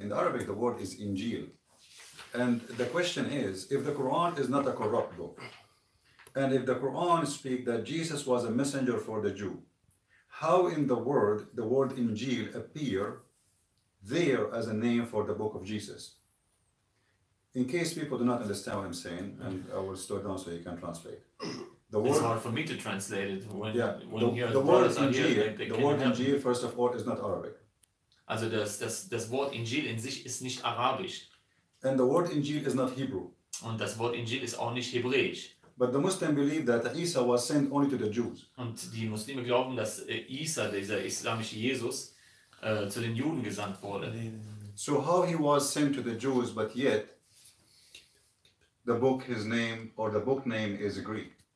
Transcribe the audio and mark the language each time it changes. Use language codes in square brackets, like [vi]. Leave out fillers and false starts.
[en] In Arabic, the word is Injil. And the question is, if the Quran is not a corrupt book, and if the Quran speaks that Jesus was a messenger for the Jew, how in the word Injil appear there as a name for the book of Jesus? In case people do not understand what I'm saying, and I will slow down so you can translate. The word, it's hard for me to translate it when, yeah, when the word Injil, here, the word Injil, first of all, is not Arabic. [de] Also das Wort Injil in sich ist nicht Arabisch. [en] And the word Injil is not Hebrew. [de] Und das Wort Injil ist auch nicht Hebräisch. [en] But the Muslims believe that Isa was sent only to the Jews. [de] Und die Muslime glauben, dass Isa, dieser islamische Jesus, zu den Juden gesandt wurde. [en] So how he was sent to the Jews, but yet the book, his name, or the book name is Greek.